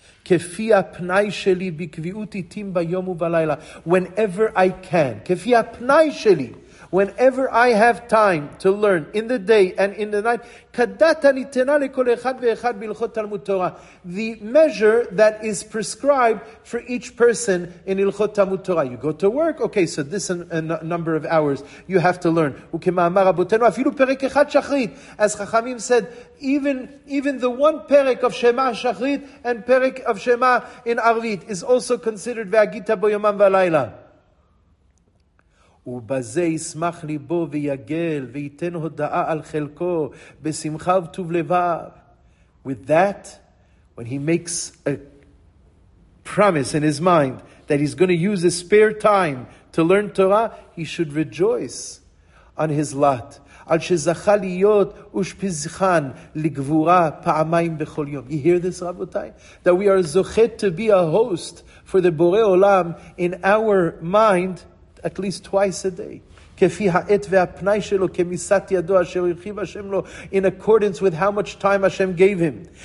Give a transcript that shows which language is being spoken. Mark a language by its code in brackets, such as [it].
[he] כפי הפנאי שלי בקביעות עתים ביום ובלילה, [en] whenever I can, [he] כפי הפנאי שלי, [en] whenever I have time to learn in the day and in the night, [he] כדעתא ניתנה לכל אחד ואחד בהלכות תלמוד תורה. [en] The measure that is prescribed for each person in הלכות תלמוד תורה. You go to work, okay, so this is a number of hours you have to learn. [he] וכמאמר רבותינו, אפילו פרק אחד שחרית. [en] As חכמים said, even the one פרק of שמה שחרית and פרק of שמה in ערבית is also considered [he] והגית בו יומם ולילה. ובזה ישמח ליבו ויגל ויתן הודעה על חלקו בשמחה וטוב לבב. [en] With that, when he makes a promise in his mind that he's going to use his spare time to learn Torah, he should rejoice on his lot. [he] על שזכה להיות ושפזכן לגבורה פעמיים בכל יום. [en] You hear this, רבותיי? That we are זוכת to be a host for the בורא עולם in our mind at least twice a day. [he] כפי העת והפנאי שלו, כמיסת ידו אשר ירחיב השם לו, [en] in accordance with how much time Hashem gave him.